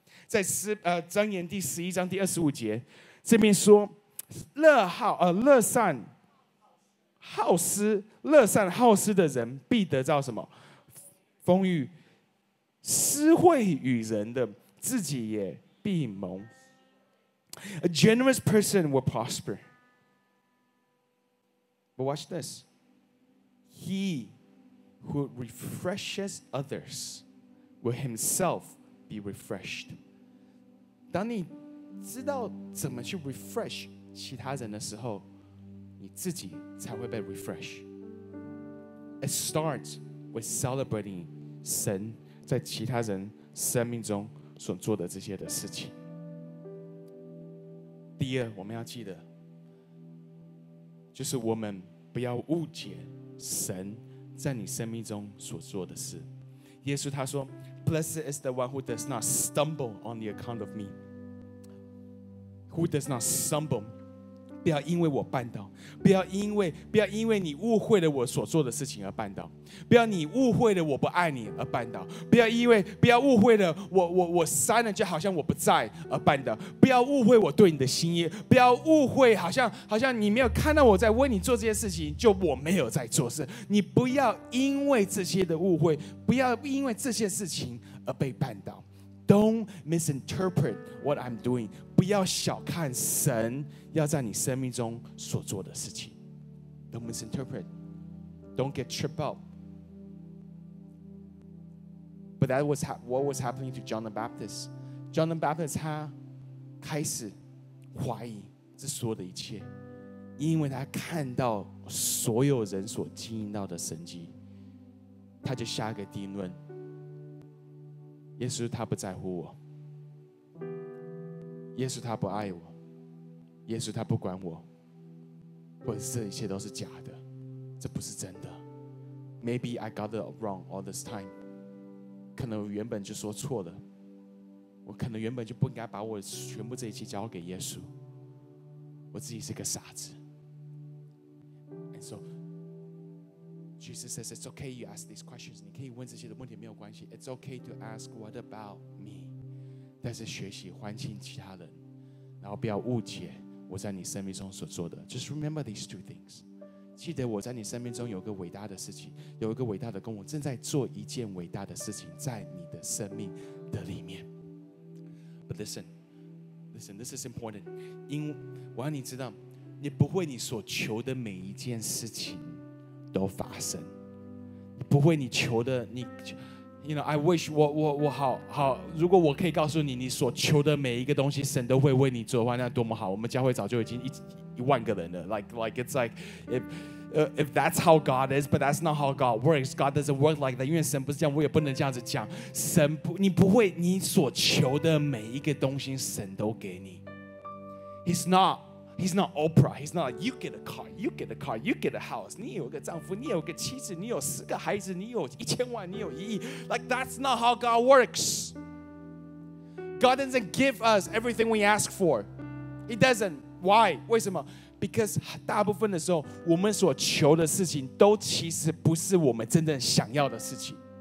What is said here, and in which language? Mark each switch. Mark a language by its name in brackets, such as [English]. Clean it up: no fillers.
[Chinese] 在箴言第十一章第二十五节这边说，乐善好施的人必得到什么？丰裕。施惠与人的，自己也必蒙。 [English] A generous person will prosper, but watch thisHe who refreshes others will himself be refreshed. [Chinese] 当你知道怎么去 refresh 其他人的时候，你自己才会被 refresh. [English] It starts with celebrating [Chinese] 神在其他人生命中所做的这些的事情。第二，我们要记得，就是我们不要误解神在你生命中所做的事。耶稣他说， [English] Blessed is the one who does not stumble on the account of me. Who does not stumble. [Chinese] 不要因为我绊倒，不要因为你误会了我所做的事情而绊倒，不要你误会了我不爱你而绊倒，不要误会了 我删了就好像我不在而绊倒，不要误会我对你的心意，不要误会好像你没有看到我在为你做这些事情就我没有在做事。你不要因为这些的误会，不要因为这些事情而被绊倒。 [English] Don't misinterpret what I'm doing. [Chinese] 不要小看神要在你生命中所做的事情。 [English] Don't misinterpret. Don't get tripped up. But that was what was happening to John the Baptist. [Chinese] John the Baptist 他开始怀疑这所有的一切，因为他看到所有人所经营到的神迹，他就下个定论，耶稣他不在乎我，耶稣他不爱我，耶稣他不管我，或者这一切都是假的，这不是真的。 [English] Maybe I got it wrong all this time. [Chinese] 可能我原本就说错了，我可能原本就不应该把我全部这一切交给耶稣，我自己是个傻子。 [English] And so Jesus says it's okay you ask these questions. [Chinese] 你可以问这些的问题没有关系。 [English] It's okay to ask what about me. [Chinese] 但是学习欢庆其他人，然后不要误解我在你生命中所做的。 [English] Just remember these two things. [Chinese] 记得我在你生命中有个伟大的事情，有一个伟大的工，我正在做一件伟大的事情在你的生命的里面。 [English] But listen, this is important. [Chinese] 因为我要你知道，你不会你所求的每一件事情都发生，你不会你求的你。 [English] You know, I wish [Chinese] 我好好。如果我可以告诉你，你所求的每一个东西，神都会为你做的话，那多么好！我们教会早就已经一万个人了。 [English] Like it's like if that's how God is, but that's not how God works. God doesn't work like that. [Chinese] 因为神不是这样，我也不能这样子讲。神不，你不会你所求的每一个东西，神都给你。 [English] He's not Oprah. He's not like, you get a car, you get a house. [Chinese] 你有个丈夫，你有个妻子，你有十个孩子，你有一千万，你有一亿。 [English] Like, that's not how God works. God doesn't give us everything we ask for. He doesn't. Why? [Chinese] 为什么？ Because 大部分的时候，我们所求的事情都其实不是我们真正想要的事情。